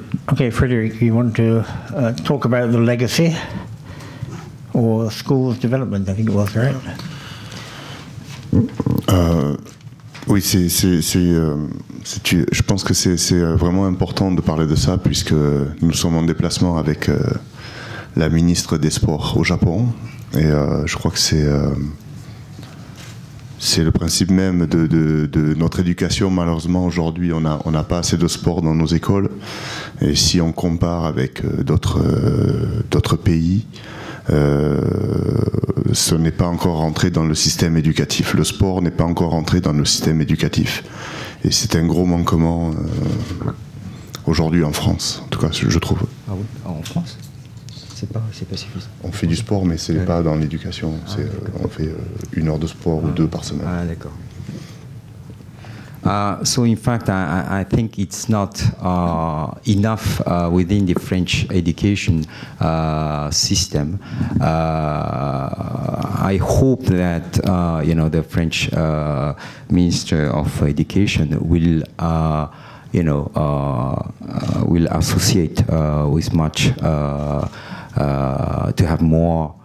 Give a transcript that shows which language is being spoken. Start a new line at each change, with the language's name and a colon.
English: Okay, Frederic, you want to talk about the legacy or school's development, I think it was, right?
French: Oui, c'est, je pense que c'est vraiment important de parler de ça puisque nous sommes en déplacement avec la ministre des Sports au Japon et je crois que c'est le principe même de notre éducation. Malheureusement, aujourd'hui, on a pas assez de sport dans nos écoles et si on compare avec d'autres pays, ce n'est pas encore rentré dans le système éducatif. Le sport n'est pas encore rentré dans le système éducatif. Et c'est un gros manquement aujourd'hui en France, en tout cas, je trouve. Ah oui, en France c'est pas suffisant. On fait du sport, mais ce n'est pas dans l'éducation. Ah, c'est, on fait une heure de sport ou deux par semaine. Ah, d'accord.
English: So in fact, I think it's not enough within the French education system. I hope that you know, the French Minister of Education will associate with much to have more.